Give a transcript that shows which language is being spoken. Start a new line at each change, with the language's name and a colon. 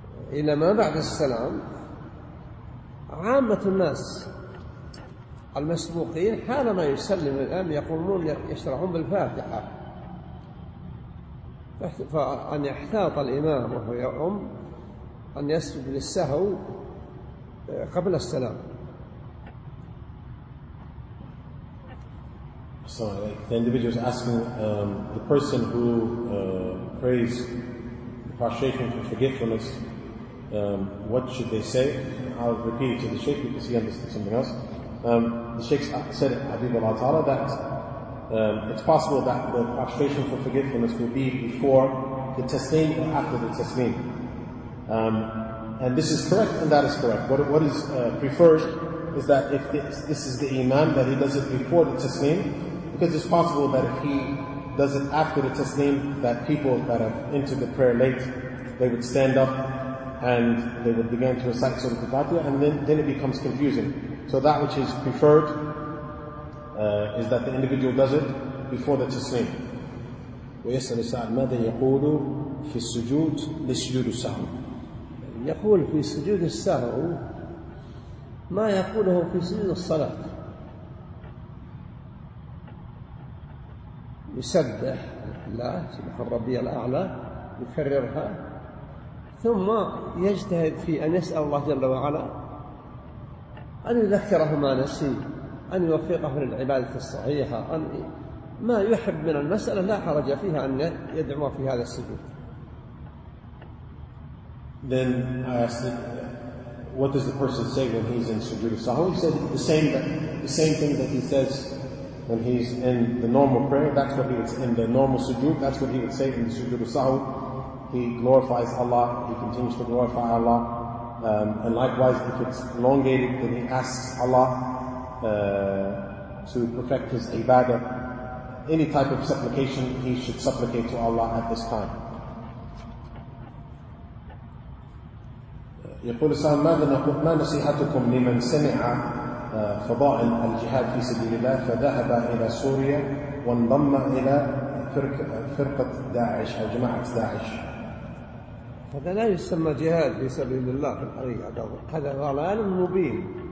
Arabic: إلى ما بعد السلام عامة الناس المسبوقين حالما يسلم الإمام يقولون يشرعون بالفاتحة، فأن يحتاط الإمام وهو يؤم أن يسجد للسهو قبل السلام.
English: So the individual is asking the person who prays the prostration for forgetfulness, what should they say? I'll repeat it to the Shaykh because he understood something else. The Shaykh said, Habib Allah Ta'ala, that it's possible that the prostration for forgetfulness will be before the tasleem or after the tasleem. And this is correct and that is correct. What is preferred is that if this is the imam, that he does it before the tasleem, because it's possible that if he does it after the tasleem, that people that have entered the prayer late, they would stand up and they would begin to recite Surah Al-Fatiha, and then it becomes confusing. So that which is preferred is that the individual does it before the taslim.
Arabic: ويسأل السائل ماذا يقول في السجود لسجود السهو؟ يقول في سجود السهو ما يقوله في سجود الصلاة. يسبح لله سبحان ربي الأعلى يكررها ثم يجتهد في أن يسأل الله جل وعلا أن يذكره ما نسي أن يوفقه للعبادة الصحيحة أن ما يحب من المسألة لا حرج فيها أن يدعو في هذا السجود.
English: Then I asked, what does the person say when he's in sujood sahwi? He said the same thing that he says when he's in the normal prayer. That's what he would say in the normal sujood. That's what he would say in the sujood sahwi. He glorifies Allah. He continues to glorify Allah. And likewise, if it's elongated, then he asks Allah to perfect his ibadah. Any type of supplication, he should supplicate to Allah at this time.
Arabic: يقول السلام ماذا نقول ما نصيحتكم لمن سمع فضائل الجهاد في سبيل الله فذهب إلى سوريا وانضم إلى فرقة داعش أو جماعة داعش؟ هذا لا يسمى جهاد في سبيل الله في الحقيقة، هذا ضلال مبين.